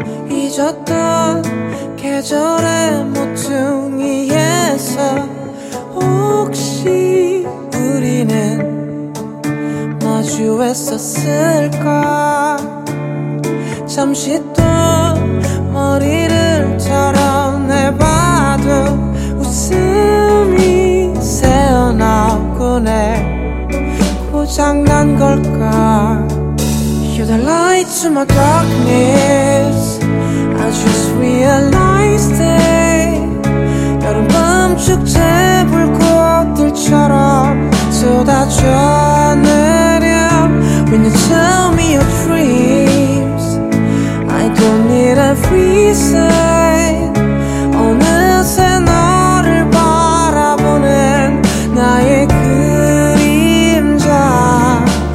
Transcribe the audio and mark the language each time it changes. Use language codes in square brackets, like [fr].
[ko] 잊었던 계절의 모퉁이에서 혹시 우리는 마주했었을까. 잠시 또 머리를 털어내봐도 웃음이 새어나곤 해. 고장난 걸까. [en] You're the light to my darkness. I just realized it. [ko] 여름 밤 축제 불꽃들처럼 쏟아져 내려. [en] When you tell me your dreams, I don't need a reason. [ko] 어느새 너를 바라보는 나의 그림자.